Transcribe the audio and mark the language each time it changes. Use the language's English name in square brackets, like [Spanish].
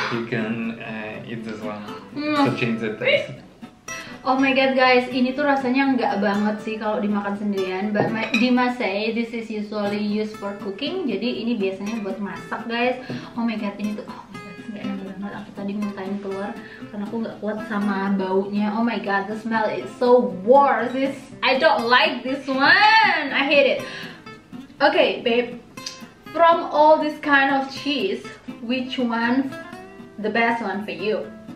[English] You can eat this one to change the taste. Oh my god guys, [Indonesian] ini tuh rasanya enggak banget sih kalau dimakan sendirian. [English] But my, Dima say this is usually used for cooking. [Indonesian] Jadi ini biasanya buat masak guys. [English] Oh my god, [Indonesian] ini tuh enggak enak banget. Aku tadi muntahin keluar karena aku enggak kuat sama baunya. [English] Oh my god, the smell is so worse. This, I don't like this one. I hate it. Okay, babe. From all this kind of cheese, which one's the best one for you?